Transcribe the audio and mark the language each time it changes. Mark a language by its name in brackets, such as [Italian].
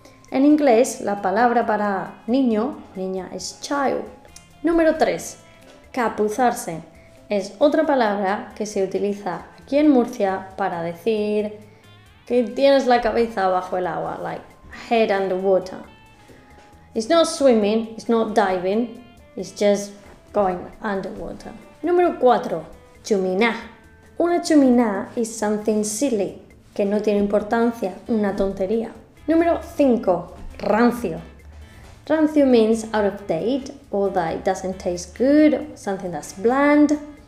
[Spanish] En inglés, la palabra para niño, niña, es child. Número 3. Capuzarse. Es otra palabra que se utiliza aquí en Murcia para decir que tienes la cabeza bajo el agua, [English] like head underwater. It's not swimming, it's not diving, it's just going underwater. [Spanish] Número 4. Chuminá. Una chuminá [English] is something silly, [Spanish] que no tiene importancia, una tontería. Número 5. Rancio. [English] Rancio means out of date, or that it doesn't taste good, something that's bland.